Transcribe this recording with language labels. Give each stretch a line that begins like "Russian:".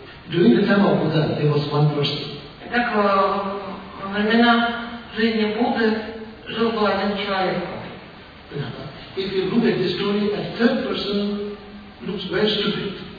English: During the time of Buddha, there was one person.
Russian: Итак, во времена жизни Будды жил был один человек.
English: If you look at the story, a third person looks very stupid.